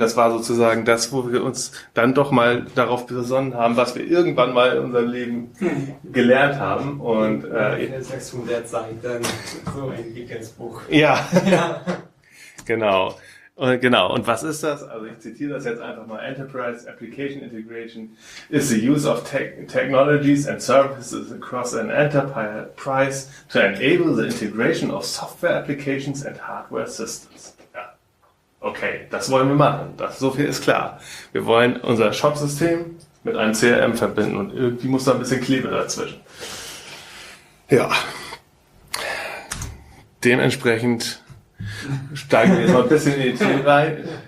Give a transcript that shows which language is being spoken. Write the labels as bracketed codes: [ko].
[de] Das war sozusagen das, wo wir uns dann doch mal darauf besonnen haben, was wir irgendwann mal in unserem Leben gelernt haben. Und in der 6 von der Zeit dann so ein dickes Buch. Ja, genau. Genau, und was ist das? Also ich zitiere das jetzt einfach mal. [en] Enterprise Application Integration is the use of technologies and services across an enterprise to enable the integration of software applications and hardware systems. [de] Ja. Okay, das wollen wir machen. Das, so viel ist klar. Wir wollen unser Shop-System mit einem CRM verbinden und irgendwie muss da ein bisschen Klebe dazwischen. Ja. Dementsprechend steigen wir jetzt mal ein bisschen in die Themen rein.